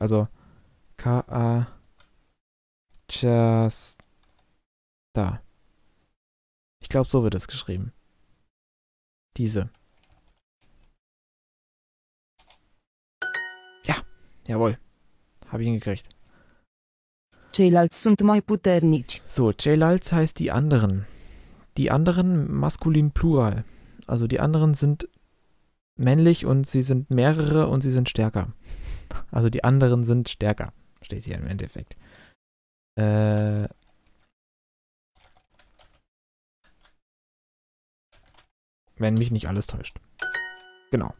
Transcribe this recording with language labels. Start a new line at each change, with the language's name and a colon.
German: Also K-A-Chasta. Ich glaube, so wird es geschrieben. Diese. Jawohl, habe ich ihn gekriegt.
Romanian: Ceilalți sunt mai puternici.
German: So, ceilalți heißt die anderen. Die anderen, maskulin plural. Also die anderen sind männlich und sie sind mehrere und sie sind stärker. Also die anderen sind stärker, steht hier im Endeffekt. Wenn mich nicht alles täuscht. Genau.